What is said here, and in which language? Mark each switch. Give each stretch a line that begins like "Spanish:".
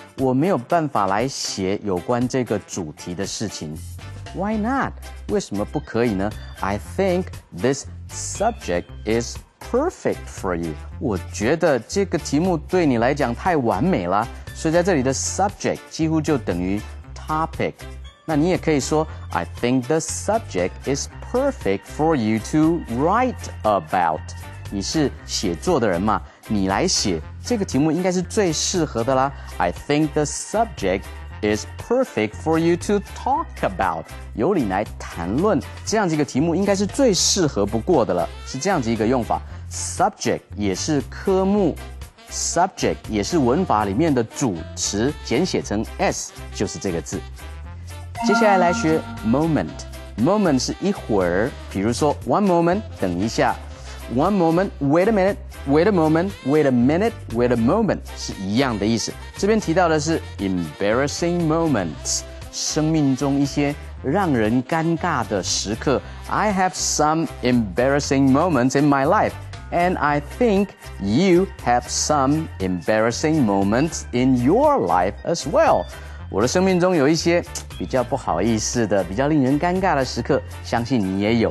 Chinese: 我没有办法来写有关这个主题的事情。
English: Why not?
Chinese: 为什么不可以呢?
English: I think this subject is perfect for you.
Chinese: 我觉得这个题目对你来讲太完美了。所以在这里的 subject 几乎就等于 topic。那你也可以说
English: I think the subject is perfect for you to write about.
Chinese: 你是写作的人吗? 你来写这个题目应该是最适合的啦。
English: I think the subject is perfect for you to talk about.
Chinese: 由你来谈论这样子一个题目应该是最适合不过的了。是这样子一个用法。Subject 也是科目。 Subject 也是文法里面的主词简写成 S, 就是这个字。接下来来学 moment。Moment 是一会儿比如说
English: one moment,
Chinese: 等一下。
English: One moment, wait a minute, wait a moment, wait a minute, wait a moment,
Chinese: 是一样的意思。这边提到的是
English: embarrassing moments,
Chinese: 生命中一些让人尴尬的时刻。
English: I have some embarrassing moments in my life, and I think you have some embarrassing moments in your life as well.
Chinese: 我的生命中有一些比较不好意思的、比较令人尴尬的时刻，相信你也有。